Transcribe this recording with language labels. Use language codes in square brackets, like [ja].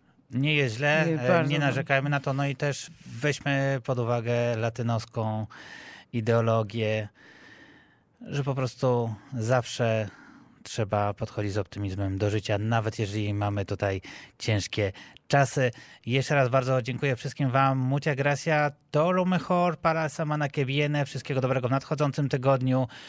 [pl] Nie jest źle, nie narzekajmy na to. No i też weźmy pod uwagę latynoską ideologię, że po prostu zawsze trzeba podchodzić z optymizmem do życia, nawet jeżeli mamy tutaj ciężkie czasy. Jeszcze raz bardzo dziękuję wszystkim wam. [es] Muchas gracias. Todo lo mejor para la semana que viene. [pl] Wszystkiego dobrego w nadchodzącym tygodniu.